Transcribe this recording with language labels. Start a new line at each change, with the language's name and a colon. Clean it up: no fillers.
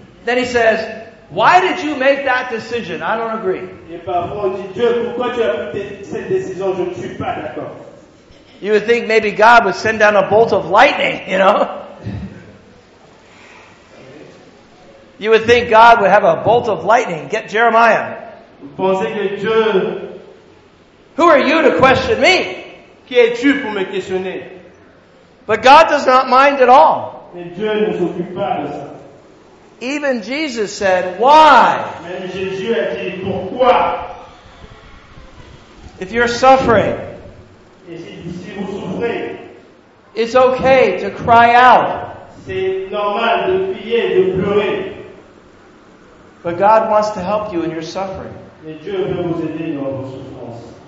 English: Then he says, why did you make that decision? I don't agree.
French: Et parfois on dit, Dieu, pourquoi tu as pris cette décision? Je ne suis pas d'accord.
English: You would think maybe God would send down a bolt of lightning, you know? You would think God would have a bolt of lightning. Get Jeremiah. Who are you to question me?
French: Qui es-tu pour me questionner?
English: But God does not mind at all.
French: Mais Dieu ne s'occupe pas de ça.
English: Even Jesus said, why?
French: Même Jésus a dit, pourquoi?
English: If you're suffering,
French: si vous souffrez,
English: it's okay to cry out.
French: C'est normal de prier, de pleurer.
English: But God wants to help you in your suffering.
French: Et Dieu veut vous aider dans vos souffrances.